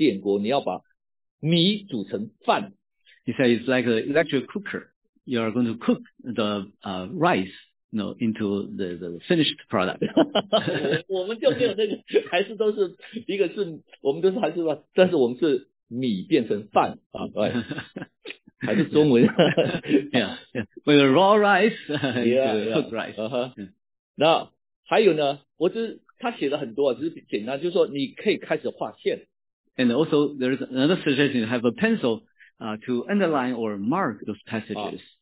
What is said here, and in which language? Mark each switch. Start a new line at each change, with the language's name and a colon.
Chinese: 电锅啊，他说这祷告圣灵的工作就好像电锅，你要把米煮成饭。
English: He said it's like an electric cooker. You are going to cook the rice, you know, into the finished product.
Chinese: 我们就没有那个，还是都是一个是，我们都是还是说，但是我们是米变成饭啊，对，还是中文。
English: Yeah, yeah. With raw rice, cooked rice.
Chinese: 那还有呢？他写了很多，只是简单，就是说你可以开始画线。
English: And also there is another suggestion, have a pencil to underline or mark those passages.